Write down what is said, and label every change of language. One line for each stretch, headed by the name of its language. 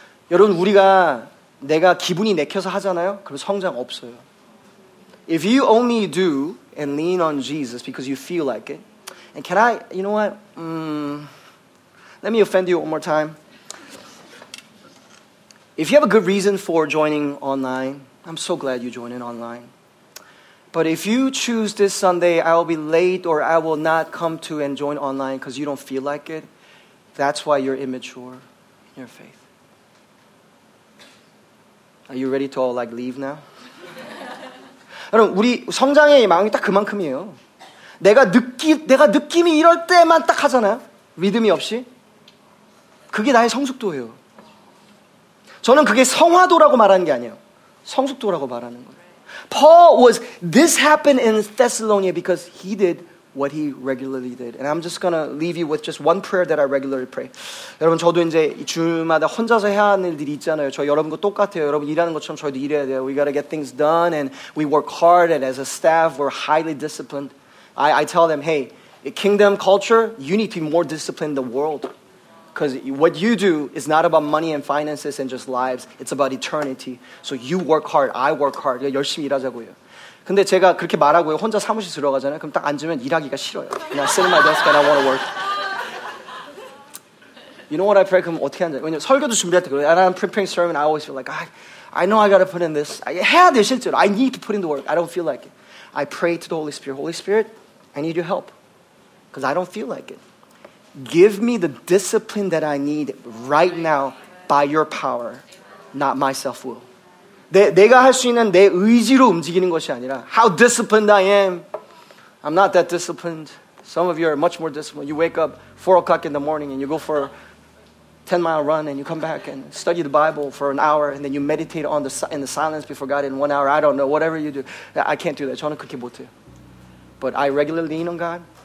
Korean: 여러분 우리가 내가 기분이 내켜서 하잖아요. 그럼 성장 없어요.
English: If you only do and lean on Jesus because you feel like it, and can I, you know what? Let me offend you one more time. If you have a good reason for joining online, I'm so glad you joined in online. But if you choose this Sunday, I will be late or I will not come to and join online because you don't feel like it, that's why you're immature in your faith. Are you ready to all like leave now?
Korean: 여러분, 우리 성장의 마음이 딱 그만큼이에요. 내가 느낌이 이럴 때만 딱 하잖아요. 리듬이 없이. 그게 나의 성숙도예요. 저는 그게 성화도라고 말하는 게 아니에요. 성숙도라고 말하는 거예요.
English: Paul was, this happened in Thessalonica because he did what he regularly did. And I'm just going to leave you with just one prayer that I regularly pray.
Korean: 여러분 저도 이제 주마다 혼자서 해야 하는 일들이 있잖아요. 저 여러분과 똑같아요. 여러분 일하는 것처럼 저희도 일해야 돼요.
English: We got to get things done and we work hard and as a staff we're highly disciplined. I tell them, hey, kingdom culture, you need to be more disciplined than the world. Because what you do is not about money and finances and just lives. It's about eternity. So you work hard. I work hard.
Korean: 열심히 일하자고요. 근데 제가 그렇게 말하고요. 혼자 사무실 들어가잖아요. 그럼 딱 앉으면 일하기가 싫어요.
English: And I sit in my desk and I want to work. You know what I pray?
Korean: 그럼 어떻게 앉아요? 왜냐면 설교도 준비할 때 그래요.
English: And I'm preparing sermon. I always feel like, I know I got to put in this.
Korean: 해야 돼, 실제로.
English: I need to put in the work. I don't feel like it. I pray to the Holy Spirit. Holy Spirit, I need your help. Because I don't feel like it. Give me the discipline that I need right now by your power, not my self-will.
Korean: 내가 할 수 있는 내 의지로 움직이는 것이 아니라
English: how disciplined I am. I'm not that disciplined. Some of you are much more disciplined. You wake up 4 o'clock in the morning and you go for a 10-mile run and you come back and study the Bible for an hour and then you meditate on in the silence before God in 1 hour. I don't know. Whatever you do. I can't do that.
Korean: 저는 그렇게 못해요.
English: But I regularly lean on God.